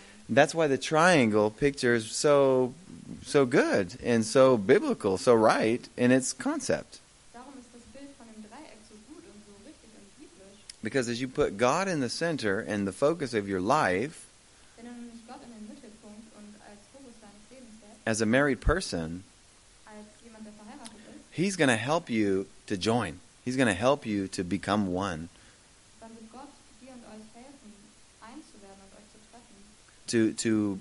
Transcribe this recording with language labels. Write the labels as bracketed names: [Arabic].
[English] That's why the triangle picture is so so good and so biblical, so right in its concept. [German] Darum ist das Bild von dem Dreieck so gut und so richtig und biblisch. [English] Because as you put God in the center and the focus of your life, [German] wenn du nämlich Gott in den Mittelpunkt und als Fokus deines Lebens setzt, [English] as a married person, [German] als jemand, der verheiratet ist, [English] he's going to help you to join. He's going to help you to become one. [German] Dann wird Gott dir und euch helfen, eins zu werden und euch zu treffen.